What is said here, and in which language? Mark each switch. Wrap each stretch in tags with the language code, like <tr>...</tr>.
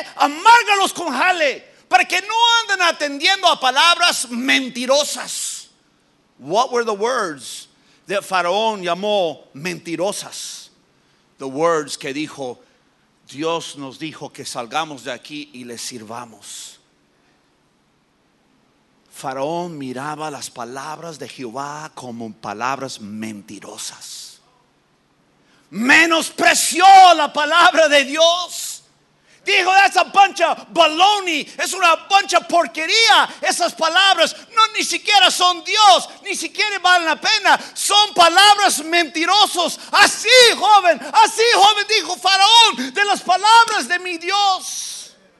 <es>Amárgalos con jale para que no anden atendiendo a palabras mentirosas.</es> <en>What were the words that Faraón</en> <es>llamó mentirosas?</es> <en>The words</en> <es>que dijo: Dios nos dijo que salgamos de aquí y le sirvamos. Faraón miraba las palabras de Jehová como palabras mentirosas. Menospreció la palabra de Dios. Dijo:</es> <en>that's a bunch of baloney.</en> <es>Es una</es> <en>bunch of</en> <es>porquería. Esas palabras no ni siquiera son Dios, ni siquiera valen la pena. Son palabras mentirosos. Así joven dijo Faraón de las palabras de mi Dios.</es>